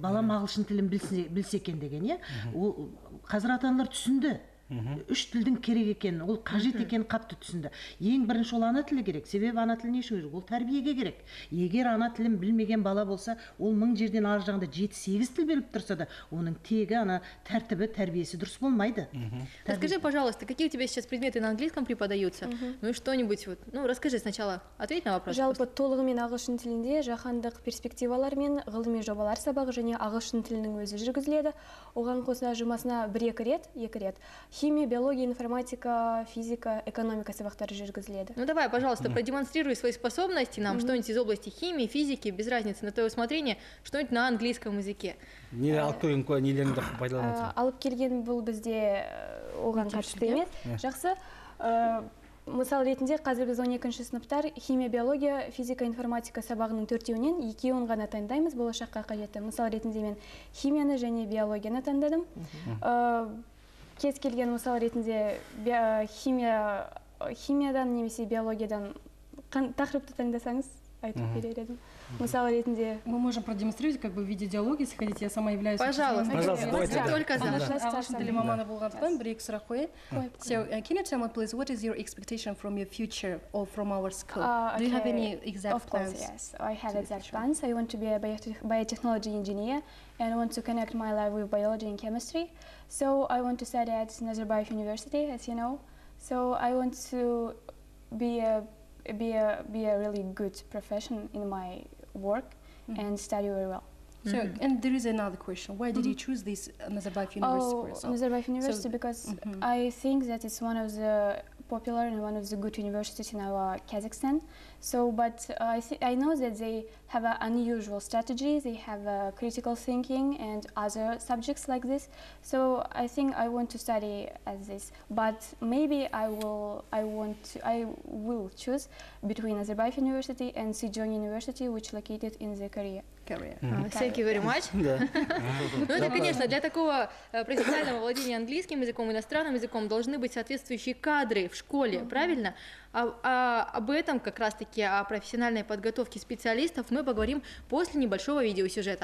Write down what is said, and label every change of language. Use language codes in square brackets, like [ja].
[kk] Балам ағылшын тілін білсе екен деген, иә? Ол қазір ата-аналар түсінді. Үш тілдің керек екенін, ол қажет екенін қатты түсінді. Ең бірінші ол ана тілі керек. Себебі ана тілі не үшін керек? Ол тәрбиеге керек. Егер ана тілін білмеген бала болса, ол мың жерден ар жағында 7-8 тіл біліп тұрса да, оның тегі ана тәртібі, тәрбиесі дұрыс болмайды. [ru] Расскажи, пожалуйста, какие у тебя сейчас предметы на английском преподаются? Ну и что-нибудь вот. Ну, расскажи сначала. Ответь на вопрос. [kk] Жалпы толығымен ағылшын тілінде жаһандық перспективалар мен ғылыми жобалар сабағы және ағылшын тілінің өзі жүргізіледі. Оған қоса жұмасына 1-2 рет. Химия, биология, информатика, физика, экономика сабақтары жүргізіледі. [ru] Ну давай, пожалуйста, продемонстрируй свои способности нам, что-нибудь из области химии, физики, без разницы, на твое усмотрение, что-нибудь на английском языке. Не алтуенко, не ленда пайдаланса. [kk] Алып келген бұл бізде оған қатысты емес. Жақсы. Мысал ретінде, қазір біз 12-ші сыныптар химия, биология, физика, информатика сабағының 4-теуінен 2-теуін ғана таңдаймыз болашаққа қажетті. Мысал ретінде мен химияны және биологияны таңдадым. Кез келген мысал ретінде химиядан немесе биологиядан тақырыпты таңдасаңыз, айтып берер едім. Мысал ретінде [ru] мы можем продемонстрировать как бы в виде диалога, если хотите, я сама являюсь. Пожалуйста, пожалуйста, только за [kk] ағылшын тілі маманы болғандықтан бір екі сұрақ қояйын. [en] So, can you tell me please what is your expectation from your future or from our school? Do you have any exact plans? Of course, yes. I have exact plans. I want to be a biotechnology engineer and I want to connect my life with biology and chemistry. So, I want to study at Nazarbayev University, as you know. So, I want to be a really good profession in my work and study very well. So and there is another question. Why did you choose this Nazarbayev University? Oh, Nazarbayev University, so, because I think that it's one of the popular and one of the good universities in our Kazakhstan. So, but I know that they have an unusual strategy. They have a critical thinking and other subjects like this. So I think I want to study as this, but maybe I will choose between Nazarbayev University and Sejong University, which located in the Korea. Thank you very much. [ru] Ну это, конечно, для такого профессионального владения английским языком, иностранным языком должны быть соответствующие кадры в школе, правильно? Об этом как раз-таки, о профессиональной подготовке специалистов, мы поговорим после небольшого видеосюжета.